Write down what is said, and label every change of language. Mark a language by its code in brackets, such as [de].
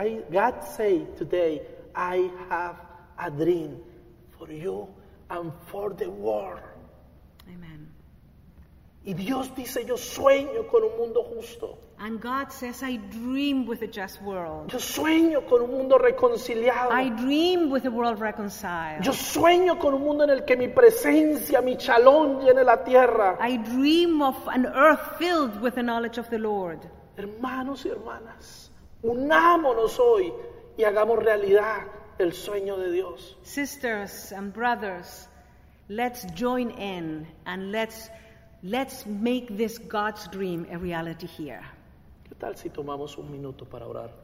[en] God say today, I have a dream. For you and for the world. Amen. [es] Y Dios dice, yo sueño con un mundo justo. [en] And God says, I dream with a just world. [es] Yo sueño con un mundo reconciliado. [en] I dream with a world reconciled. [es] Yo sueño con un mundo en el que mi presencia, mi shalom, llene la tierra. [en] I dream of an earth filled with the knowledge of the Lord. [es] Hermanos y hermanas, unámonos hoy y hagamos realidad el sueño de Dios. [en] Sisters and brothers, let's join in and let's make this God's dream a reality here. [es] ¿Qué tal si tomamos un minuto para orar?